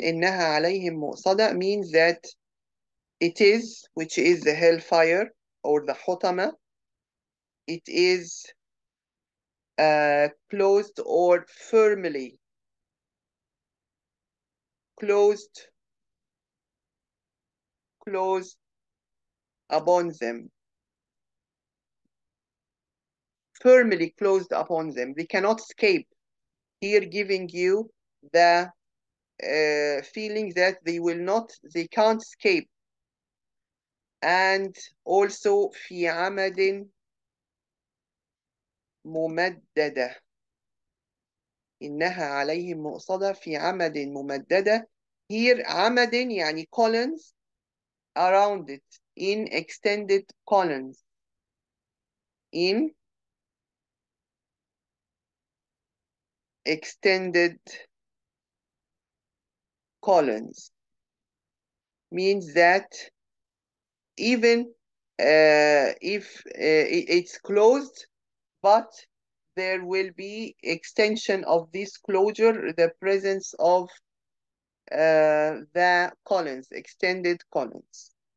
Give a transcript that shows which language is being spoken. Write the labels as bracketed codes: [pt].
[ar] Innaha alayhim mu'sada [en] means that it is, which is the hellfire or the hutama, it is closed or firmly closed upon them. Firmly closed upon them. They cannot escape. Here giving you the feeling that they will not, they can't escape. And also [ar] في عمد ممددة. إنها عليهم مؤصدة في عمد ممددة. [en] Here [ar] عمد يعني [en] columns around it, in extended columns, in extended columns, means that even if it's closed, but there will be extension of this closure, the presence of the columns, extended columns,